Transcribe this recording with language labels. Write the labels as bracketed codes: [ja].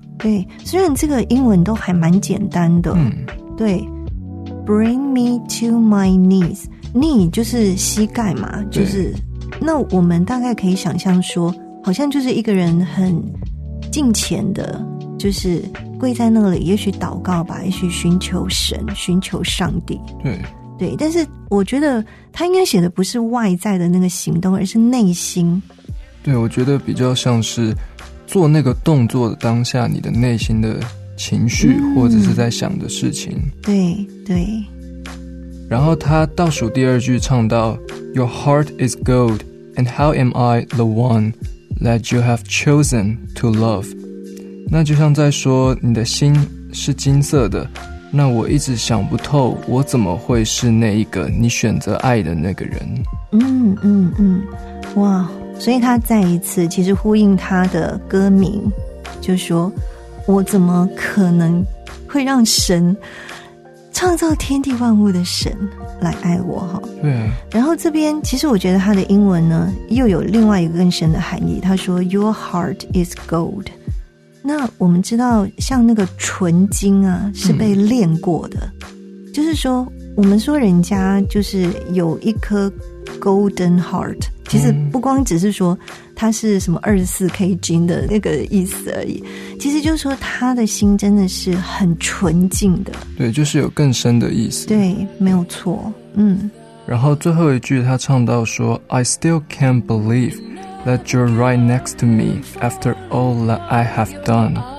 [zh] 对，虽然这个英文都还蛮简单的。对， [en] Bring me to my knees， [zh] knee 就是膝盖嘛，就是那我们大概可以想象说，好像就是一个人很敬虔的，就是跪在那里，也许祷告吧，也许寻求神，寻求上帝。对对，但是我觉得他应该写的不是外在的那个行动，而是内心，对，我觉得比较像是做那个动作的当下，你的内心的情绪或者是在想的事情。对对。然后他倒数第二句唱到 [en] Your heart is gold, and how am I the one that you have chosen to love? [zh] 那就像在说你的心是金色的，那我一直想不透我怎么会是那一个你选择爱的那个人。哇，所以他再一次其实呼应他的歌名，就说我怎么可能会让神，创造天地万物的神来爱我。对。然后这边其实我觉得他的英文呢又有另外一个更深的含义，他说 [en] Your heart is gold。 [zh] 那我们知道像那个纯金啊是被炼过的，就是说我们说人家就是有一颗 golden heart， 其实不光只是说他是什么24K 金的那个意思而已，其实就是说他的心真的是很纯净的。对，就是有更深的意思。对，没有错。然后最后一句他唱到说 [en] I still can't believe that you're right next to me after all that I have done。